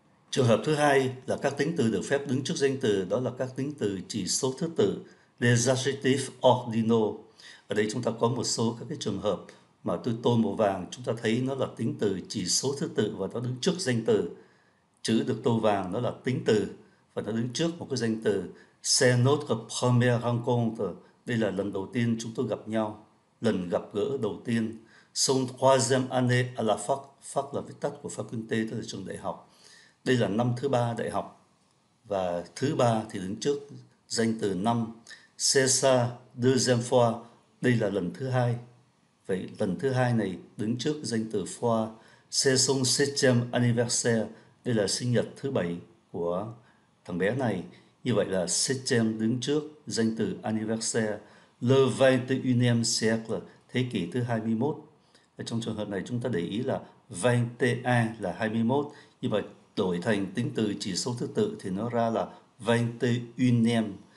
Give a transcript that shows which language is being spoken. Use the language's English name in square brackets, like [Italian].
[Vietnamese] Trường hợp thứ hai là các tính từ được phép đứng trước danh từ, đó là các tính từ chỉ số thứ tự, desiccative ordinal. Ở đây chúng ta có một số các cái trường hợp mà tôi tô màu vàng, chúng ta thấy nó là tính từ chỉ số thứ tự và nó đứng trước danh từ. Chữ được tô vàng nó là tính từ và nó đứng trước một cái danh từ. [French] C'est notre première rencontre. [Vietnamese] Đây là lần đầu tiên chúng tôi gặp nhau, lần gặp gỡ đầu tiên. [French] Son troisième année à la fac. [Vietnamese] Fac là viết tắt của faculté, tức là trường đại học. Đây là năm thứ ba đại học. Và thứ ba thì đứng trước danh từ năm. [French] C'est sa deuxième fois. [Vietnamese] Đây là lần thứ hai. Vậy lần thứ hai này đứng trước danh từ fois. [French] C'est son septième anniversaire. [Vietnamese] Đây là sinh nhật thứ bảy của thằng bé này. Như vậy là septième đứng trước danh từ anniversaire. [French] Le 21e siècle, [Vietnamese] thế kỷ thứ 21. Và trong trường hợp này chúng ta để ý là 21 là 21. Như vậy đổi thành tính từ chỉ số thứ tự thì nó ra là 21e.